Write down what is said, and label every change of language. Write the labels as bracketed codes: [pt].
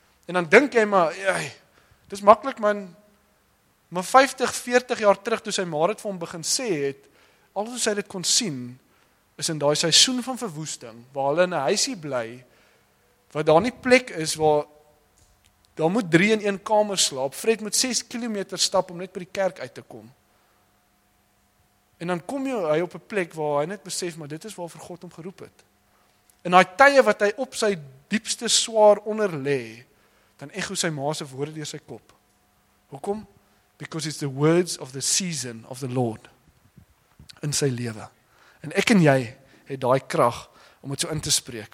[af] En dan dink jy maar, ey, dit is makkelijk man, maar 50, 40 jaar terug, toe sy ma het vir hom begin sê het, alles hoe sy dit kon sien, is in die seisoen van verwoesting, waar hulle in 'n huisie bly, waar daar nie plek is, waar daar moet 3 in 1 kamer slaap, Fred moet 6 kilometer stap, om net by die kerk uit te kom. En dan kom hy op 'n plek waar hy net besef, maar dit is waarvoor God hom geroep het. In daai tye wat hy op sy diepste swaar onder lê, dan echo sy ma se woorde deur sy kop. Hoekom? [en] Because it's the words of the season of the Lord in [af] sy lewe. En ek en jy het daai krag om dit so in te spreek.